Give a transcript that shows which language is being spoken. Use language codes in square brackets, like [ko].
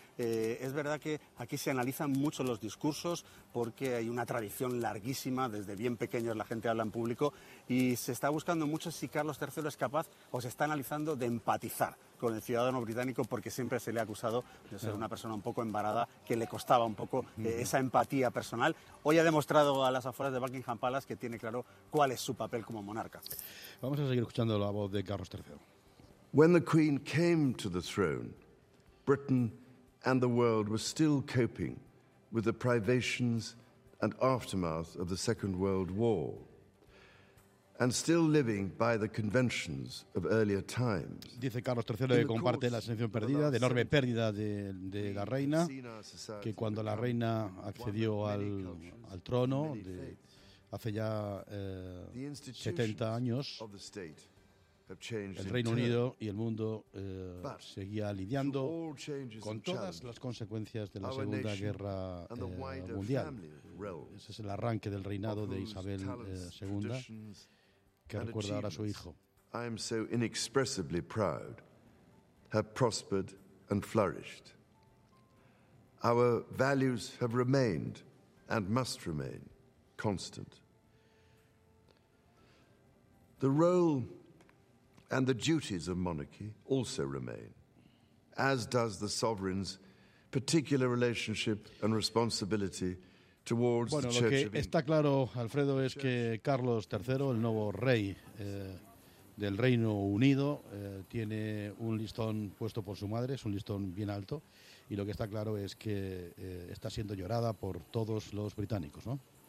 [es] Es verdad que aquí se analizan mucho los discursos, porque hay una tradición larguísima, desde bien pequeños la gente habla en público, y se está buscando mucho si Carlos III es capaz, o se está analizando, de empatizar con el ciudadano británico, porque siempre se le ha acusado de ser una persona un poco embarada, que le costaba un poco esa empatía personal. Hoy ha demostrado a las afueras de Buckingham Palace que tiene claro cuál es su papel como monarca. Vamos a seguir escuchando la voz de Carlos III. [en] When the Queen came to the throne, Britain and the world were still coping with the privations and aftermath of the Second World War, and still living by the conventions of earlier times. [es] Dice Carlos III que comparte la sensación perdida, de enorme pérdida de la reina, que cuando la reina accedió al trono de hace ya 70 años, el Reino Unido y el mundo seguía lidiando con todas las consecuencias de la Segunda Guerra Mundial. Ese es el arranque del reinado de Isabel II. Que recuerda ahora a su hijo. [en] I am so inexpressibly proud, have prospered and flourished. Our values have remained and must remain constant. The role and the duties of monarchy also remain, as does the sovereign's particular relationship and responsibility. [es] Bueno, lo que está claro, Alfredo, es que Carlos III, el nuevo rey del Reino Unido, tiene un listón puesto por su madre, es un listón bien alto, y lo que está claro es que está siendo llorada por todos los británicos, ¿no?